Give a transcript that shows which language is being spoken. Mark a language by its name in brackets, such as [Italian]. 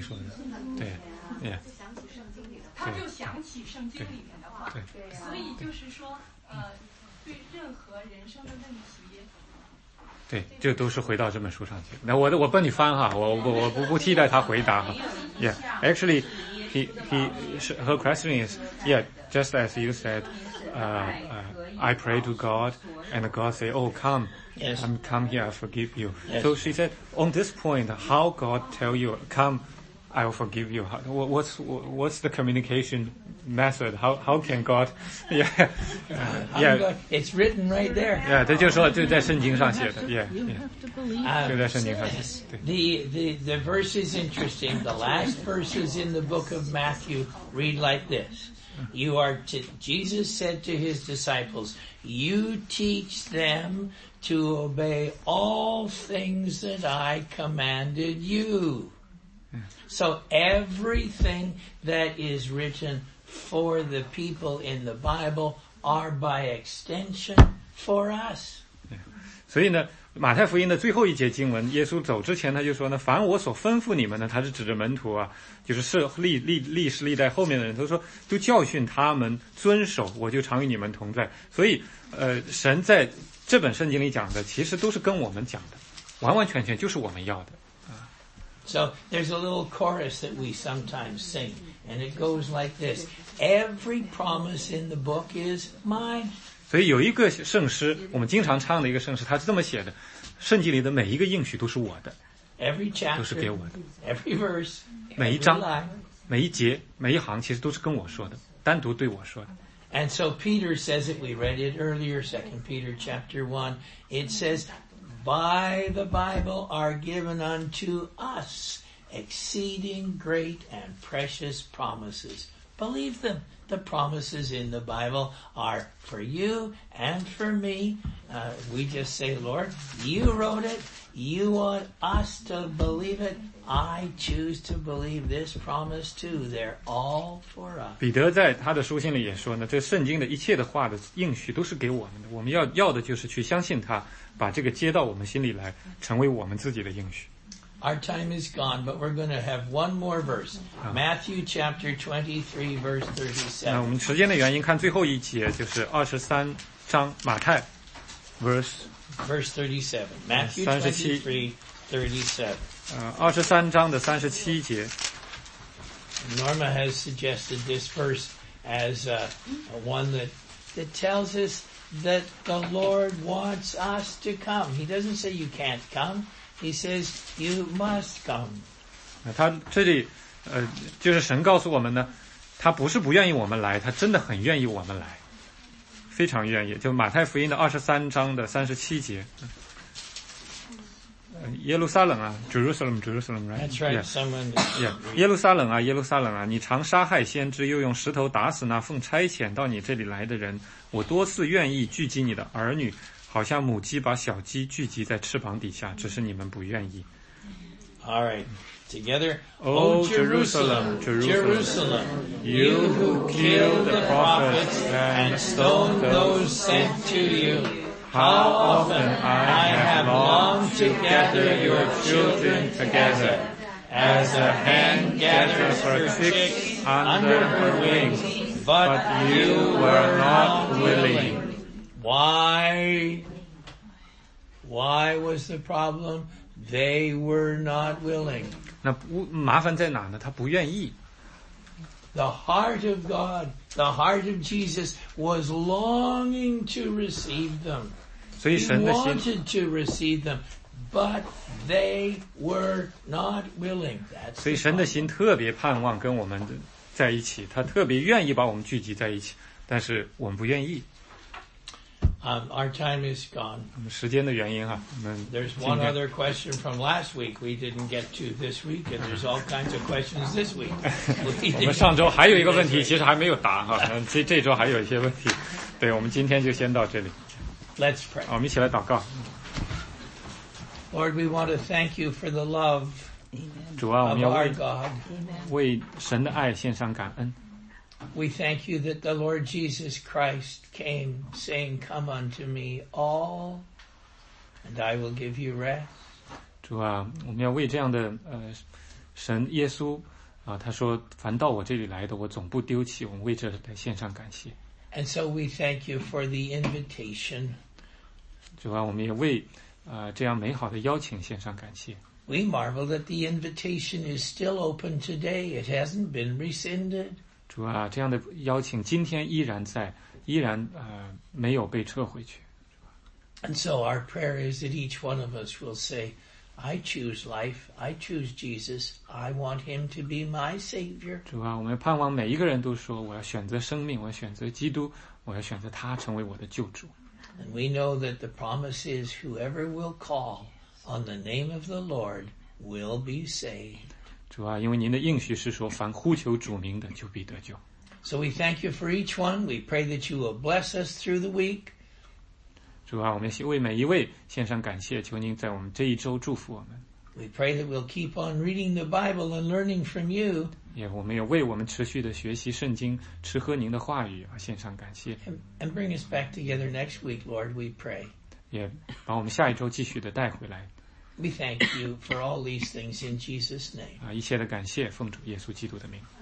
[Chinese] 说的，对，就想起圣经里的，他就想起圣经里面的话，对，所以就是说，对任何人生的问题，对，这都是回到这本书上去。那我帮你翻哈，我不替代他回答哈。 [English] Yeah, actually, he her question is, yeah, just as you said, I pray to God, and God say, oh, come. Yes. I'm come here, I forgive you. Yes. So she said, on this point, how God tell you, come, I'll forgive you. What's the communication method? How can God, it's written right there. [Chinese] Yeah, 他就说就在圣经上写的 [English] You have to believe. [Chinese] 就在圣经上写 [English] 的 The verse is interesting. The last verses in the book of Matthew read like this. Jesus said to his disciples, you teach them,to obey all things that I commanded you. So everything that is written for the people in the Bible are by extension for us. [Chinese] 所以呢马太福音的最后一节经文耶稣走之前他就说呢凡我所吩咐你们呢他是指着门徒啊就是历代后面的人他说都教训他们遵守我就常与你们同在。所以神在这本圣经里讲的其实都是跟我们讲的完完全全就是我们要的。 [English] So, there's a little chorus that we sometimes sing, and it goes like this. Every promise in the book is mine. [Chinese] 所以有一个圣诗我们经常唱的一个圣诗它是这么写的圣经里的每一个应许都是我的。 [English] Every chapter, [Chinese] 都是给我的。 [English] Every verse, [Chinese] 每一章每一节每一行其实都是跟我说的单独对我说的。 [English] And so Peter says it, we read it earlier, 2 Peter chapter 1. It says, by the Bible are given unto us exceeding great and precious promises. Believe them. The promises in the Bible are for you and for me. We just say, Lord, you wrote it. You want us to believe it. I choose to believe this promise too. They're all for us. [Chinese] 彼得在他的书信里也说呢，这圣经的一切的话的应许都是给我们的。我们要的就是去相信他，把这个接到我们心里来，成为我们自己的应许。 [English] Our time is gone, but we're going to have one more verse. Matthew chapter 23, verse 37. [Chinese] 那我们时间的原因，看最后一节，就是23章马太 verse [English] 37. Matthew 23:37. [Chinese] 23章的37节。 [English] Norma has suggested this verse as one that tells us that the Lord wants us to come. He doesn't say you can't come. He says, you must come. [Chinese] 他这里就是神告诉我们呢他不是不愿意我们来他真的很愿意我们来。非常愿意。就马太福音的23章的37节。 [English] 耶路撒冷啊 Jerusalem Jerusalem right That's right yeah. Someone yeah. [Chinese] 耶路撒冷啊耶路撒冷啊你常杀害先知又用石头打死那奉差遣到你这里来的人我多次愿意聚集你的儿女好像母鸡把小鸡聚集在翅膀底下只是你们不愿意 [English] All right Together, O Jerusalem, Jerusalem, you who killed the prophets and stoned those sent to you, how often I have longed to gather your children together, as a hen gathers her chicks under her wings, but you were not willing. Why was the problem? They were not willing. [Chinese] 那麻烦在哪呢他不愿意 [English] The heart of God The heart of Jesus Was longing to receive them [Chinese] 所以神的心 [English] He wanted to receive them But they were not willing、That's、 [Chinese] 所以神的心特别盼望跟我们在一起他特别愿意把我们聚集在一起但是我们不愿意、 [English] Our time is gone. [Chinese] 时间的原因啊，我们。 [English] There's one other question from last week we didn't get to this week, and there's all kinds of questions this week. [Chinese] 我们上周还有一个问题，其实还没有答哈。这周还有一些问题，对，我们今天就先到这里。 [English] Let's pray. [Chinese] 我们一起来祷告。 [English] Lord, we want to thank you for the love. [Chinese] 主啊，我们要为 [English] God, [Chinese] 为神的爱献上感恩。 [English] We thank you that the Lord Jesus Christ came saying, Come unto me all, and I will give you rest. [Chinese] 主啊，我们要为这样的神耶稣啊，他说，凡到我这里来的，我总不丢弃，我们为这来献上感谢。 [English] And so we thank you for the invitation. [Chinese] 主啊，我们也为这样美好的邀请献上感谢。 [English] We marvel that the invitation is still open today. It hasn't been rescinded. [Chinese] 主啊，这样的邀请今天依然在，依然没有被撤回去。 [English] And so our prayer is that each one of us will say, "I choose life. I choose Jesus. I want Him to be my Savior." [Chinese] 主啊，我们盼望每一个人都说，我要选择生命，我要选择基督，我要选择他成为我的救主。 [English] And we know that the promise is, whoever will call on the name of the Lord will be saved. [Chinese] 主啊，因为您的应许是说，凡呼求主名的就必得救。 [English] So we thank you for each one. We pray that you will bless us through the week. [Chinese] 主啊，我们为每一位献上感谢，求您在我们这一周祝福我们。 [English] We pray that we'll keep on reading the Bible and learning from you. [Chinese] 也，我们也为我们持续的学习圣经，吃喝您的话语而献上感谢。 [English] And bring us back together next week, Lord. We pray. [Chinese] 也，把我们下一周继续的带回来。 [English] We thank you for all these things in Jesus' name. [Chinese] 一切的感谢，奉主耶稣基督的名。